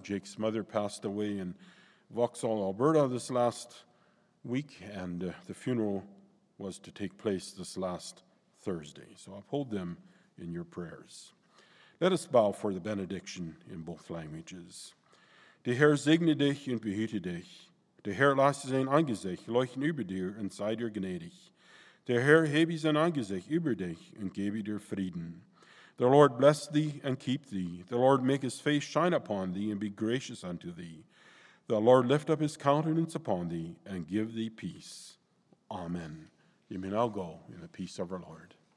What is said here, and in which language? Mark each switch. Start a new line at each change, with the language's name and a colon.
English: Jake's mother passed away in Vauxhall, Alberta this last week, and the funeral was to take place this last Thursday. So uphold them in your prayers. Let us bow for the benediction in both languages.
German: De Herr segne dich und behüte dich. De Herr lasse sein Angesicht leuchten über dir und sei dir gnädig. De Herr hebe sein Angesicht über dich und gebe dir Frieden.
English: The Lord bless thee and keep thee. The Lord make his face shine upon thee and be gracious unto thee. The Lord lift up his countenance upon thee and give thee peace. Amen. You may now go in the peace of our Lord.